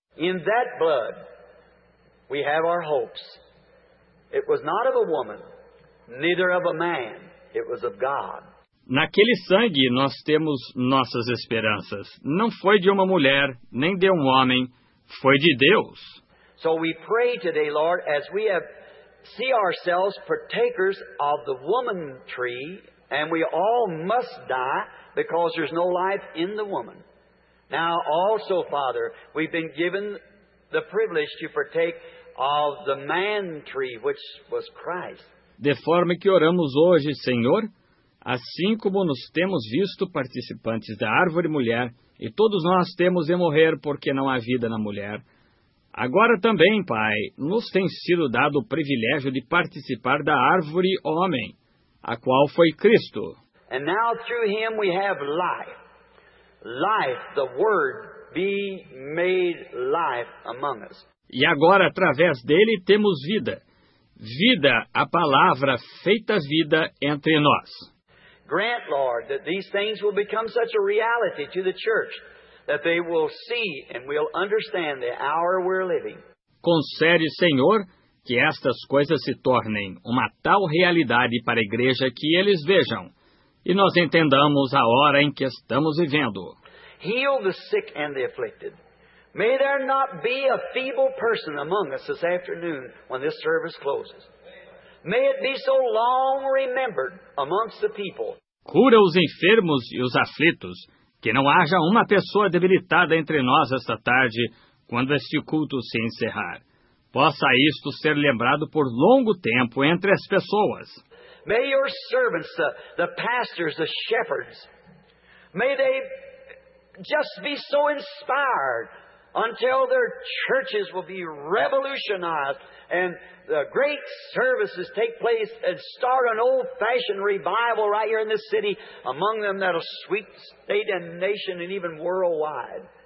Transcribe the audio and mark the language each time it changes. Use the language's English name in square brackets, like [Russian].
[English] In that blood, we have our hopes. It was not of a woman, neither of a man, it was of God. [Portuguese] Naquele sangue nós temos nossas esperanças. Não foi de uma mulher, nem de um homem, foi de Deus. [English] So we pray today, Lord, as we have see ourselves partakers of the woman tree, and we all must die because there's no life in the woman. Now also, Father, we've been given the privilege to partake of the man tree, which was Christ. [Portuguese] De forma que oramos hoje, Senhor, assim como nos temos visto participantes da árvore mulher, e todos nós temos de morrer porque não há vida na mulher, Agora também, Pai, nos tem sido dado o privilégio de participar da árvore homem, a qual foi Cristo. [English] And now through him we have life. Life, the word, be made life among us. [Portuguese] E agora, através dele, temos vida. Vida, a palavra feita vida entre nós. [English] Grant, Lord, that these things will become such a reality to the church that they will see and will understand the hour we're living. [Portuguese] Concede, Senhor, que estas coisas se tornem uma tal realidade para a igreja que eles vejam e nós entendamos a hora em que estamos vivendo. [English] Heal the sick and the afflicted. May there not be a feeble person among us this afternoon when this service closes. May it be so long remembered amongst the people. [Portuguese] Cura os enfermos e os aflitos, que não haja uma pessoa debilitada entre nós esta tarde, quando este culto se encerrar. Possa isto ser lembrado por longo tempo entre as pessoas. [English] May your servants, the pastors, the shepherds, may they just be so inspired until their churches will be revolutionized and the great services take place and start an old-fashioned revival right here in this city among them that will sweep state and nation and even worldwide.